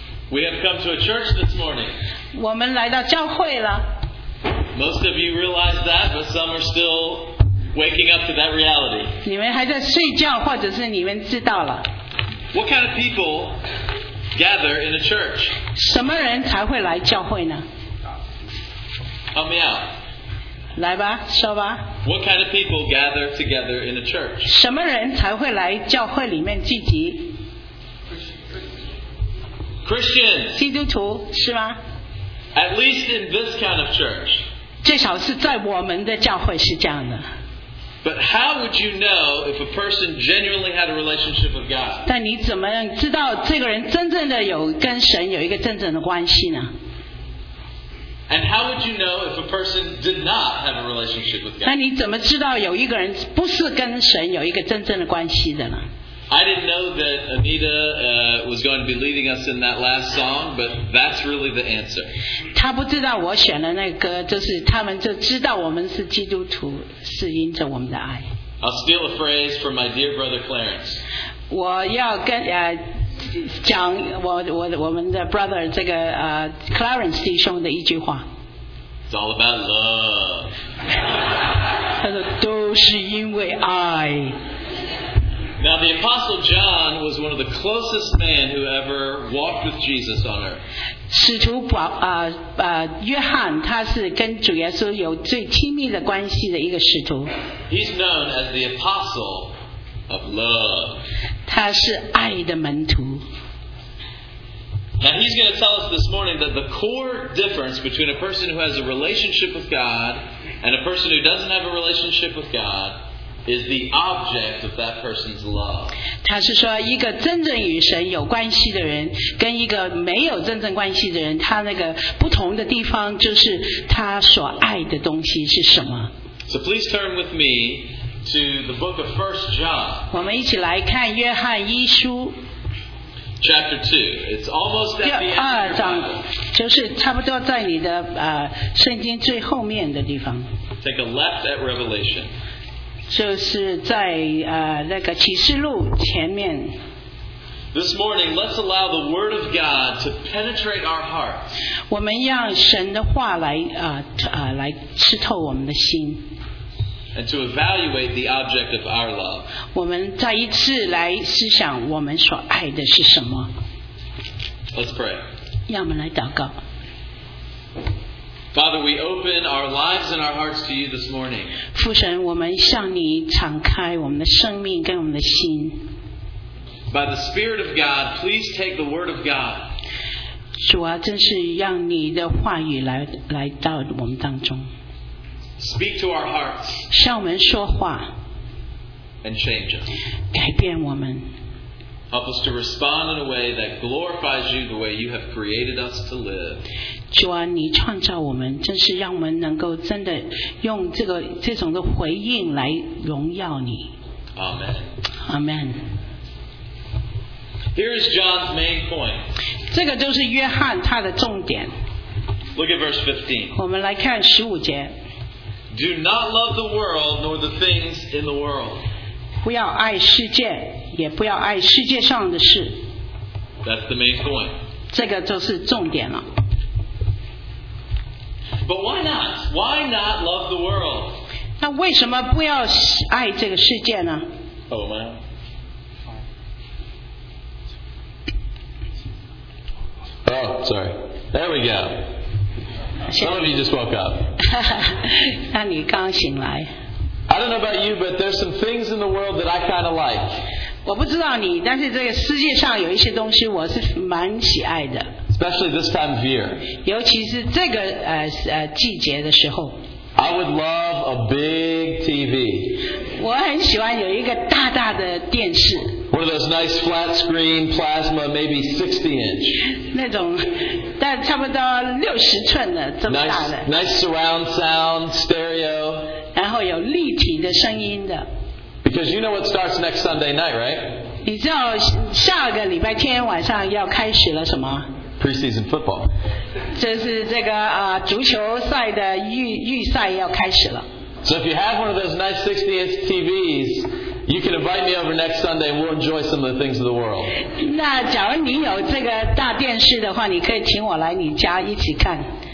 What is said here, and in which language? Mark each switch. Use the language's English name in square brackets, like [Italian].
[English] We have come to a church this morning. [Chinese] 我们来到教会了。 [English] Most of you realize that, but some are still waking up to that reality. [Chinese] 你们还在睡觉，或者是你们知道了。 [English] What kind of people gather in a church? [Chinese] 什么人才会来教会呢？ [English] Help me out. [Chinese] 来吧，说吧。 [English] What kind of people gather together in a church? [Chinese] 什么人才会来教会里面聚集？ [English] Christians. [Chinese] 基督徒是吗？ [English] At least in this kind of church. [Chinese] 至少是在我们的教会是这样的。 [English] But how would you know if a person genuinely had a relationship with God? [Chinese] 但你怎么样知道这个人真正的有跟神有一个真正的关系呢？ [English] And how would you know if a person did not have a relationship with God? [Chinese] 那你怎么知道有一个人不是跟神有一个真正的关系的呢？ [English] I didn't know that Anita was going to be leading us in that last song, but that's really the answer. [Chinese] 他不知道我选的那个歌，就是他们就知道我们是基督徒，是因着我们的爱。 [English] I'll steal a phrase from my dear brother Clarence. [Chinese] 我要跟讲 我们的 brother 这个Clarence 弟兄的一句话。 [English] It's all about love. [Chinese] 他说都是因为爱。 [English] Now the Apostle John was one of the closest men who ever walked with Jesus on earth. [Chinese] 使徒保约翰他是跟主耶稣有最亲密的关系的一个使徒。 [English] He's known as the Apostle. Of love. [Chinese] 他是爱的门徒。 [English] Now he's going to tell us this morning that the core difference between a person who has a relationship with God and a person who doesn't have a relationship with God is the object of that person's love. [Chinese] 他是说一个真正与神有关系的人跟一个没有真正关系的人，他那个不同的地方就是他所爱的东西是什么。 [English] So please turn with me. To the book of 1 John. [Chinese] 我们一起来看约翰一书。 [English] Chapter 2. It's almost at the end. [Chinese] 第二章就是差不多在你的圣经最后面的地方。 [English] Take a left at Revelation. [Chinese] 就是在那个启示录前面。 [English] This morning, let's allow the Word of God to penetrate our hearts. [Chinese] 我们让神的话来刺透我们的心。 [English] And to evaluate the object of our love. [Chinese] 我们再一次来思想我们所爱的是什么。 [English] Let's pray. [Chinese] 让我们来祷告。 [English] Father, we open our lives and our hearts to you this morning. [Chinese] 父神，我们向你敞开我们的生命跟我们的心。 [English] By the Spirit of God, please take the Word of God. [Chinese] 主啊，真是让你的话语来到我们当中。 [English] Speak to our hearts. [Chinese] 向我们说话。 [English] And change us. [Chinese] 改变我们。 [English] Help us to respond in a way that glorifies you the way you have created us to live. [Chinese] 主啊，你创造我们，真是让我们能够真的用这种的回应来荣耀你。 [English] Amen. Amen. Here is John's main point. [Chinese] 这个就是约翰他的重点。 [English] Look at verse 15. [Chinese] 我们来看十五节。 [English] Do not love the world nor the things in the world. [Chinese] 不要爱世界也不要爱世界上的事。 [English] That's the main point. [Chinese] 这个就是重点了。 [English] But why not? Why not love the world? [Chinese] 那为什么不要爱这个世界呢？ [English] Oh man. Oh, sorry. There we go. Some of you just woke up. [Chinese] 那你刚醒来。 [English] I don't know about you, but there's some things in the world that I kind of like. [Chinese] 我不知道你，但是这个世界上有一些东西我是蛮喜爱的。 [English] Especially this time of year. [Chinese] 尤其是这个季节的时候。 [English] I would love a big TV. [Chinese] 我很喜欢有一个大大的电视。 [English] One of those nice flat screen plasma, maybe 60-inch. [Chinese] 那种，但差不多六十寸的这么大的。 [English] Nice surround sound stereo. [Chinese] 然后有立体的声音的。 [English] Because you know what starts next Sunday night, right? [Chinese] 你知道下个礼拜天晚上要开始了什么？ [English] Preseason football. [Chinese] 这是这个足球赛的预赛要开始了。 [English] So if you have one of those nice 60-inch TVs, you can invite me over next Sunday and we'll enjoy some of the things of the world. [Chinese] 那假如你有这个大电视的话，你可以请我来你家一起看。